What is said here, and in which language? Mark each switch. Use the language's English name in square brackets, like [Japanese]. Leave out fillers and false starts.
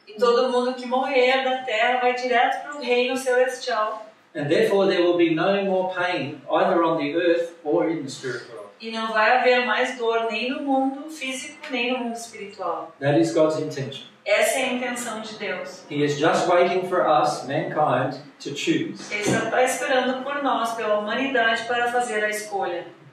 [Portuguese] E todo mundo que morrer da Terra vai direto para o reino celestial. [English] And therefore there will be no more pain either on the Earth or in the spirit world. [Portuguese] E não vai haver mais dor nem no mundo físico, nem no mundo espiritual. [English] That is God's intention. [Portuguese] Essa é a intenção de Deus. [English] He is just waiting for us, mankind, to choose. [Portuguese] Ele só está esperando por nós, pela humanidade, para fazer a escolha.